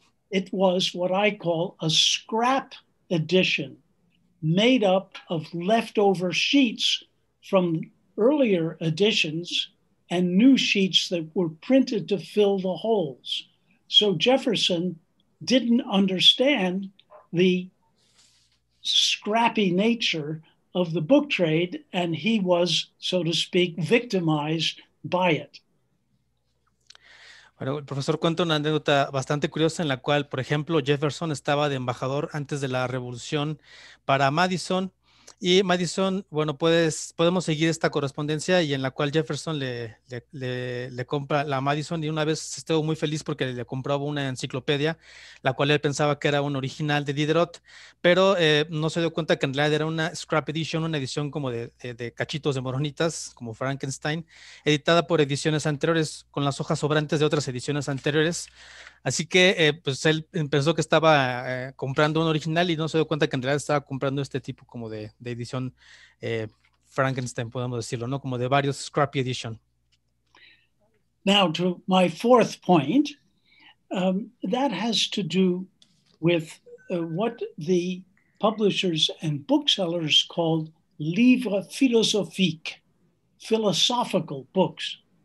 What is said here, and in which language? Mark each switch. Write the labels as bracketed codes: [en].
[en] It was what I call a scrap edition made up of leftover sheets from earlier editions and new sheets that were printed to fill the holes. So Jefferson didn't understand the scrappy nature of the book trade, and he was, so to speak, victimized by it. [es] Bueno, el profesor cuenta una anécdota bastante curiosa en la cual, por ejemplo, Jefferson estaba de embajador antes de la revolución para Madison. Y Madison, bueno, podemos seguir esta correspondencia y en la cual Jefferson le compra la Madison, y una vez estuvo muy feliz porque le compraba una enciclopedia, la cual él pensaba que era un original de Diderot, pero no se dio cuenta que en realidad era una scrap edition, una edición como de cachitos de moronitas, como Frankenstein, editada por ediciones anteriores con las hojas sobrantes de otras ediciones anteriores. Así que pues él pensó que estaba comprando un original y no se dio cuenta que en realidad estaba comprando este tipo como de edición Frankenstein, podemos decirlo, ¿no? Como de varios scrappy edition. [en] Now to my fourth point, that has to do with what the publishers and booksellers call livres philosophiques, philosophical books.